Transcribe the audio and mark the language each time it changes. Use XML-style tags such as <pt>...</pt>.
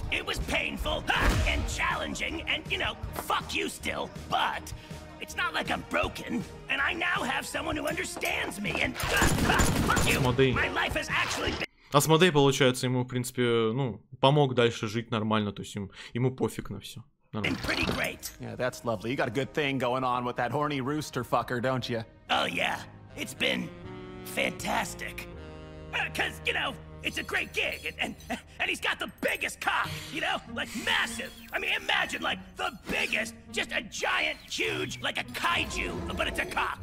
<en>It was painful and challenging, and you know, fuck you still. But it's not like I'm broken, and I now have someone who understands me. And fuck you. My life has actually been.</en> <ru>Асмодей, получается, ему, в принципе, ну, помог дальше жить нормально, то есть ему пофиг на все.</ru> <en>No. And pretty great. Yeah, that's lovely. You got a good thing going on with that horny rooster fucker, don't you? Oh, yeah. It's been fantastic. Because, you know, it's a great gig. And he's got the biggest cock, you know? Like, massive. I mean, imagine, like, the biggest. Just a giant, huge, like a kaiju. But it's a cock.</en>